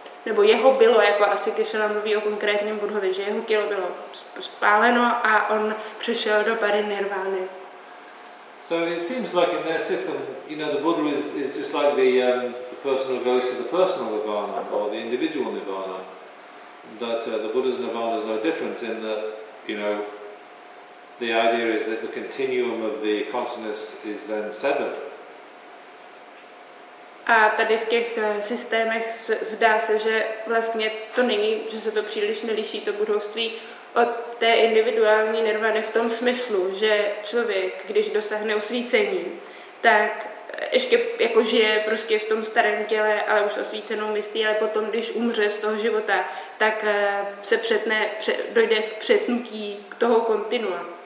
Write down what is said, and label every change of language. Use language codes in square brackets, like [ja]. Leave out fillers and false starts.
[cs] Nebo jeho bylo, jako asi Krishna mluví o konkrétním Buddhovi, že jeho tělo bylo spáleno a on přešel do parinirvány. [en] So it seems like in their system, you know, the Buddha is just like the personal goes to the personal nirvana or the individual nirvana. That the Buddha's nirvana is no different in that, you know, the idea is that the continuum of the consciousness is then severed. [cs] A tady v těch systémech zdá se, že vlastně to není, že se to příliš neliší to buddhovství od té individuální nirvany v tom smyslu, že člověk, když dosáhne osvícení, tak ještě jako žije prostě v tom starém těle, ale už osvícenou myslí, ale potom, když umře z toho života, tak se dojde k přetnutí k toho kontinua.